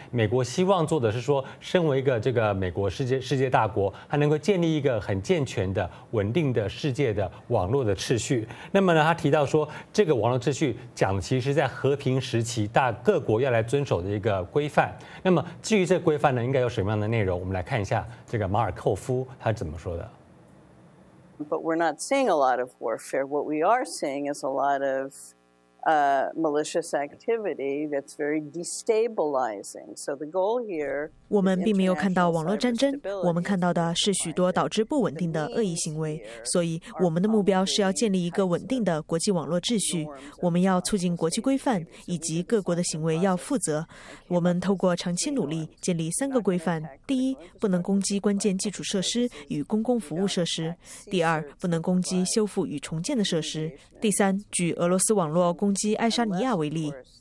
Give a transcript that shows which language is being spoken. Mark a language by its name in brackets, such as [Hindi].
[Chinese] 美国希望做的是说，身为一个这个美国世界大国，他能够建立一个很健全的、稳定的世界的网络的秩序。那么呢，他提到说，这个网络秩序讲其实在和平时期大各国要来遵守的一个规范。那么至于这个规范呢，应该有什么样的内容？我们来看一下这个马尔寇夫他怎么说的。 [English] But we're not seeing a lot of warfare. What we are seeing is a lot of malicious activity that's very destabilizing. So the goal here. [Chinese] 我们并没有看到网络战争，我们看到的是许多导致不稳定的恶意行为。所以我们的目标是要建立一个稳定的国际网络秩序。我们要促进国际规范，以及各国的行为要负责。我们透过长期努力建立三个规范：第一，不能攻击关键基础设施与公共服务设施；第二，不能攻击修复与重建的设施；第三，举俄罗斯网络攻击爱沙尼亚为例。